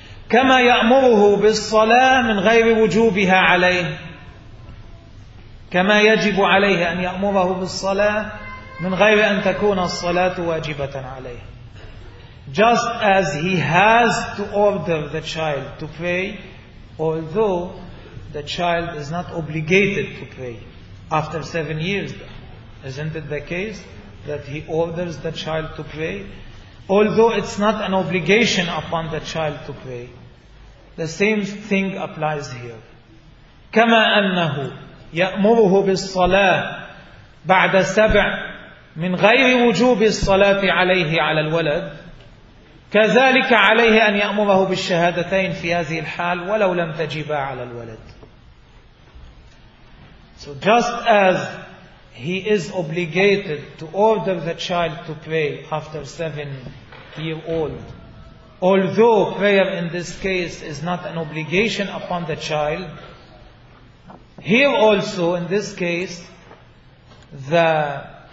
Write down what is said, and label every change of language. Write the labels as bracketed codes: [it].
[ar] كما يأمره بالصلاة من غير وجوبها عليه. كما يجب عليه أن يأمره بالصلاة من غير أن تكون الصلاة واجبة عليه. [en] Just as he has to order the child to pray, although the child is not obligated to pray after 7 years. Isn't it the case that he orders the child to pray? Although it's not an obligation upon the child to pray, the same thing applies here. [ar] كما أنه يأمره بالصلاة بعد سبع من غير وجوب الصلاة عليه على الولد، كذلك عليه أن يأمره بالشهادتين في هذه الحال ولو لم تجبا على الولد. [en] So just as he is obligated to order the child to pray after 7 years old, although prayer in this case is not an obligation upon the child, here also in this case the